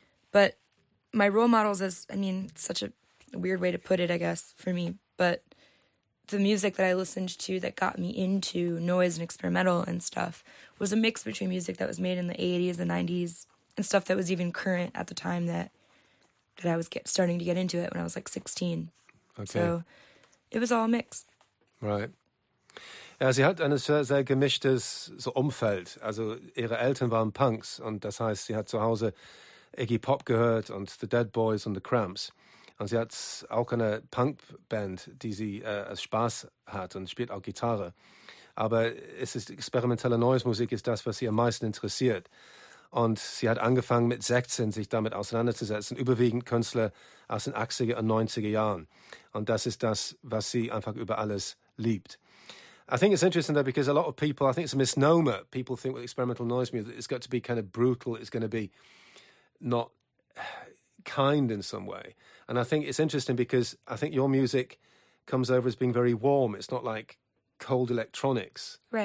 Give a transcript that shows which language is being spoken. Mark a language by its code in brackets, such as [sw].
[en] But my role models is, I mean, such a weird way to put it, I guess, for me, but the music that I listened to that got me into noise and experimental and stuff was a mix between music that was made in the 80s, the 90s, and stuff that was even current at the time that I was starting to get into it when I was like 16. Okay. So it was all a mix. Right. [de] Ja, sie hat ein sehr, sehr gemischtes so Umfeld. Also ihre Eltern waren Punks und das heißt, sie hat zu Hause Iggy Pop gehört und The Dead Boys und The Cramps. Und sie hat auch eine Punkband, die sie als Spaß hat und spielt auch Gitarre. Aber es ist experimentelle Noise-Musik ist das, was sie am meisten interessiert. Und sie hat angefangen mit 16 sich damit auseinanderzusetzen, überwiegend Künstler aus den 80er und 90er Jahren. Und das ist das, was sie einfach über alles liebt. [en] I think it's interesting though because a lot of people, I think it's a misnomer. People think with experimental noise music, it's got to be kind of brutal, it's going to be not kind in some way. And I think it's interesting because I think your music comes over as being very warm. It's not like cold electronics.